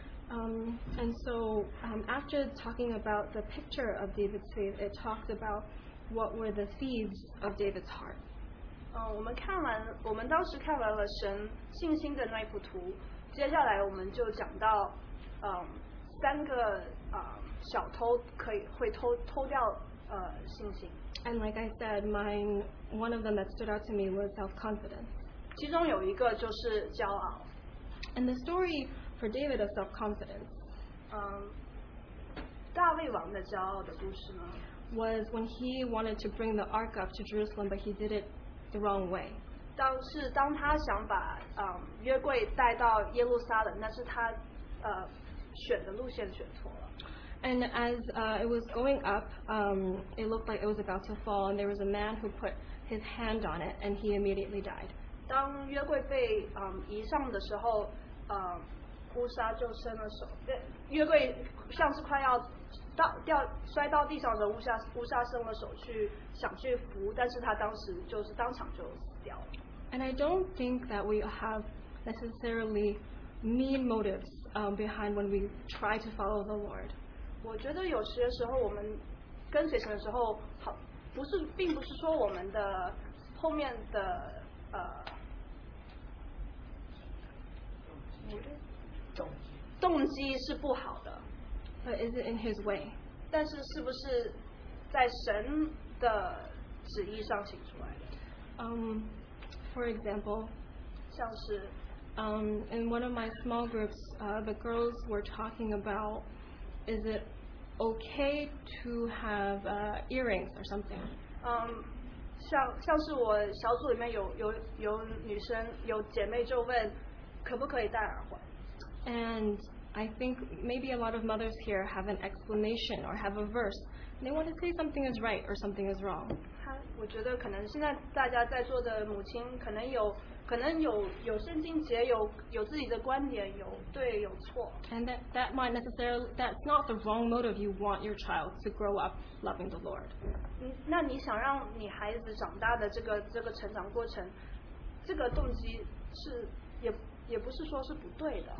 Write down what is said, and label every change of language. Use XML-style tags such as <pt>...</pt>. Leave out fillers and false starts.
<en>And so, after talking about the picture of David's faith, it talks about what were the seeds of David's heart.</en> <zh>我们当时看完了神信心的那一幅图，接下来我们就讲到，三个小偷可以会偷掉信心。</zh> <en>And like I said, one of them that stood out to me was self-confidence.</en> <zh>其中有一个就是骄傲。</zh> <en>And the story for David of self-confidence,</en> <zh>大卫王的骄傲的故事呢？</zh> <en>Was when he wanted to bring the ark up to Jerusalem, but he did it the wrong way.</en> <zh>当他想把约柜带到耶路撒冷，那是他选的路线选错了。</zh> <en>And as it was going up, it looked like it was about to fall, and there was a man who put his hand on it, and he immediately died.</en> <zh>当约柜被移上的时候，乌撒就伸了手。约柜像是快要摔到地上的时候，乌撒伸了手去想去扶，但是他当时就是当场就死掉了。</zh> <en>And I don't think that we have necessarily mean motives behind when we try to follow the Lord.</en> <zh>我觉得有些时候我们跟随神的时候，并不是说我们的后面的动机是不好的。</zh> <en>But is it in His way?</en> <zh>但是是不是在神的旨意上行出来的？</zh> <en>For example,</en> <zh>像是</zh> <en>In one of my small groups, the girls were talking about, is it okay to have earrings or something?</en> <zh>像是我小组里面有女生有姐妹就问，可不可以戴耳环？</zh> <en>And I think maybe a lot of mothers here have an explanation or have a verse. They want to say something is right or something is wrong.</en> <zh>我觉得可能现在大家在座的母亲可能有圣经节，有自己的观点，有对有错。</zh> <en>And that might necessarily that's not the wrong motive. You want your child to grow up loving the Lord.</en> <zh>那你想让你孩子长大的这个成长过程，这个动机是也不是说是不对的。</zh>